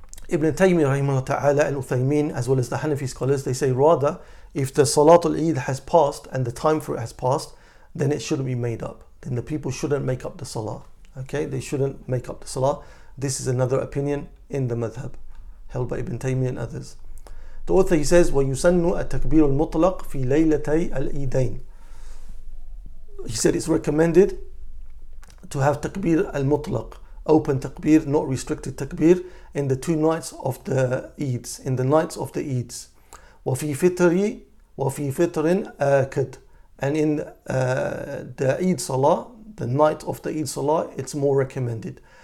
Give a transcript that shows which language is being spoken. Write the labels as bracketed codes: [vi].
[en] Ibn Taymiyyah rahimahullah ta'ala and Uthaymeen, as well as the Hanafi scholars, they say rather if the Salatul Eid has passed and the time for it has passed, then it shouldn't be made up. Then the people shouldn't make up the Salah. Okay, they shouldn't make up the Salah. This is another opinion in the Madhab held by Ibn Taymiyyah and others. The author, he says, [ar] وَيُسَنُّ التَّكْبِيرُ الْمُطْلَقُ فِي لَيْلَتَيْ الْإِيدَيْنِ. [en] He said it's recommended to have takbir al-mutlaq, open takbir, not restricted takbir, in the two nights of the Eids, in the nights of the Eids. [ar] وَفِي فِتْرِي وَفِي فِتْرٍ آكَدْ. [en] And in the Eid Salah, the night of the Eid Salah, it's more recommended.